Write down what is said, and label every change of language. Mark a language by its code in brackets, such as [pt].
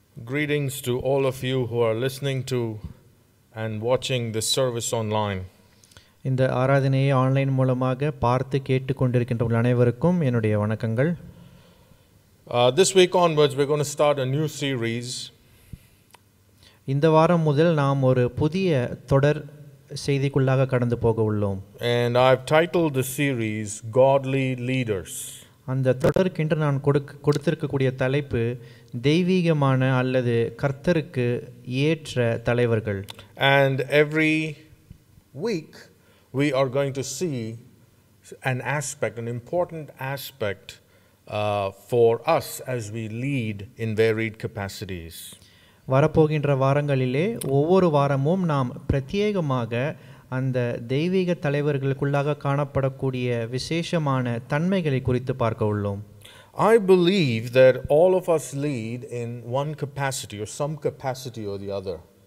[en] Greetings to all of you who are listening to and watching this service online. [ta] இந்த ஆராதனையை online மூலமாக பார்த்து கேட்டு கொண்டிருக்கின்ற அனைவருக்கும் என்னுடைய வணக்கங்கள். [en] This week onwards we're going to start a new series. [ta] இந்த வாரம் முதல் நாம் ஒரு புதிய தொடர் செய்திக்குள்ளாக கடந்து போக உள்ளோம். [en] And I've titled the series Godly Leaders. [ta] அந்த தொடருக்கு என்று நான் கொடுத்திருக்கக்கூடிய தலைப்பு தெய்வீகமான அல்லது கர்த்தருக்கு ஏற்ற தலைவர்கள். [en] And every week we are going to see an aspect, an important aspect for us as we lead in varied capacities. [ta] வரப்போகின்ற வாரங்களிலே ஒவ்வொரு வாரமும் நாம் பிரத்யேகமாக அந்த தெய்வீக தலைவர்களுக்குள்ளாக காணப்படக்கூடிய விசேஷமான தன்மைகளை குறித்து பார்க்க உள்ளோம். [en] I believe that all of us lead in one capacity or some capacity or the other.